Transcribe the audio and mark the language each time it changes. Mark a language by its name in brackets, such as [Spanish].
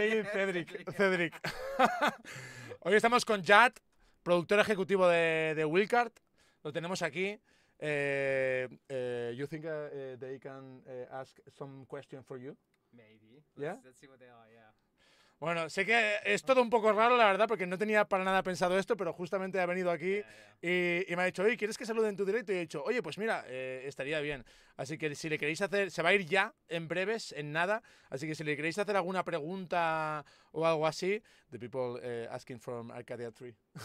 [Spanish] Cedric. Hoy estamos con Jad, productor ejecutivo de Wildcard. Lo tenemos aquí. [English] You think they can ask some question for you? Maybe. Let's see what they are, yeah. [Spanish] Bueno, sé que es todo un poco raro, la verdad, porque no tenía para nada pensado esto, pero justamente ha venido aquí y me ha dicho, oye, ¿quieres que salude en tu directo? Y he dicho, oye, pues mira, estaría bien. Así que si le queréis hacer, se va a ir ya, en breves, en nada. Así que si le queréis hacer alguna pregunta o algo así, [English] the people asking from Arcadia 3.